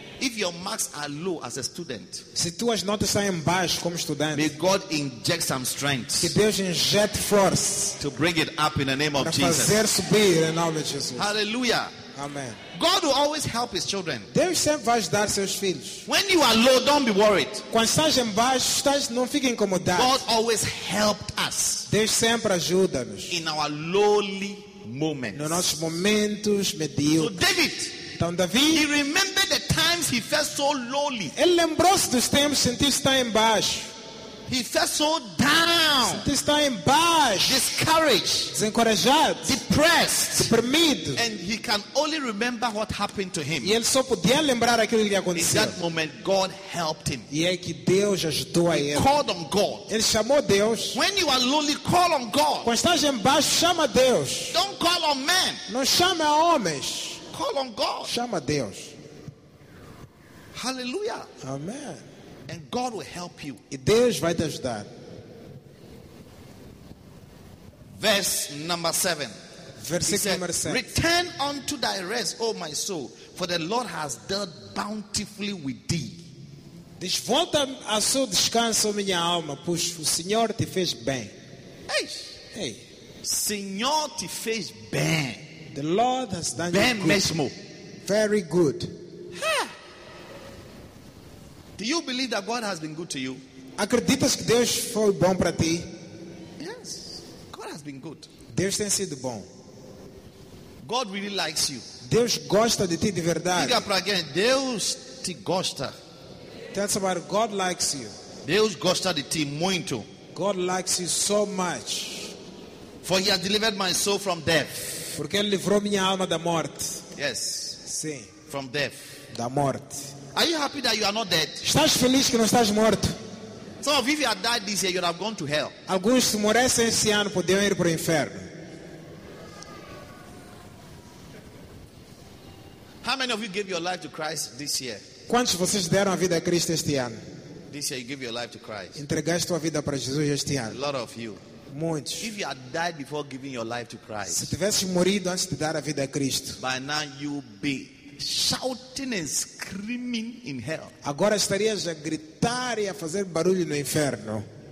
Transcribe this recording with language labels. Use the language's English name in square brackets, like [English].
[English] If your marks are low as a student, [Portuguese] se tuas notas estão em baixo como estudante, [English] may God inject some strength. [Portuguese] Que Deus injete força. [English] To bring it up in the name of [Portuguese] Jesus. Para fazer subir em nome de Jesus. Hallelujah. Amen. [English] God will always help His children. [Portuguese] Deus sempre vai ajudar seus filhos. [English] When you are low, don't be worried. [Portuguese] Quando estás em baixo, estás, não fique incomodado. [English] God always helped us. [Portuguese] Deus sempre ajuda-nos. [English] In our lowly moments. [Portuguese] Nos nossos momentos medíocres. [English] So David. [Portuguese] Então Davi, [English] he remembered the times he felt so lowly. [Portuguese] Ele lembrou-se dos tempos sentiu estar em baixo. [English] He felt so down. [Portuguese] Sentiu estar em baixo. [English] Discouraged. [Portuguese] Desencorajado. [English] Depressed. [Portuguese] Deprimido. [English] And he can only remember what happened to him. [Portuguese] E ele só podia lembrar aquilo que lhe aconteceu. [English] In that moment, God helped him. [Portuguese] E é que Deus ajudou a ele. [English] He called on God. [Portuguese] Ele chamou Deus. [English] When you are lowly, call on God. [Portuguese] Quando estás em baixo, chama Deus. [English] Don't call on men. [Portuguese] Não chame a homens. [English] Call on God. [Portuguese] Chama Deus. Hallelujah. Amen. [English] And God will help you. [Portuguese] E Deus vai te ajudar. [English] Verse number 7. [Portuguese] Versículo 7. [English] Return unto thy rest, O my soul, for the Lord has dealt bountifully with thee. [Portuguese] Diz, volta a seu descanso, minha alma, pois o Senhor te fez bem. Ei. Ei. Senhor te fez bem. [English] The Lord has done [Portuguese] bem [English] you good. [Portuguese] Mesmo. [English] Very good. Do you believe that God has been good to you? [Portuguese] Acreditas que Deus foi bom para ti? [English] Yes. God has been good. [Portuguese] Deus tem sido bom. [English] God really likes you. [Portuguese] Deus gosta de ti de verdade. Diga para alguém, Deus te gosta. [English] Tell somebody, God likes you. [Portuguese] Deus gosta de ti muito. [English] God likes you so much. For he has delivered my soul from death. [Portuguese] Porque ele livrou minha alma da morte. [English] Yes. [Portuguese] Sim. [English] From death. [Portuguese] Da morte. [English] Are you happy that you are not dead? [Portuguese] Estás feliz que não estás morto? [English] Some of you have died this year, you have gone to hell. [Portuguese] Alguns se morressem esse ano poderiam ir para o inferno. [English] How many of you gave your life to Christ this year? [Portuguese] Quantos de vocês deram a vida a Cristo este ano? [English] This year you give your life to Christ. [Portuguese] Entregaste tua vida para Jesus este ano. [English] A lot of you. [Portuguese] Muitos. [English] If you had died before giving your life to Christ, [Portuguese] se tivesse morrido antes de dar a vida a Cristo, [English] by now you be shouting and screaming in hell. [Portuguese] Agora estarias a gritar e a fazer barulho no inferno.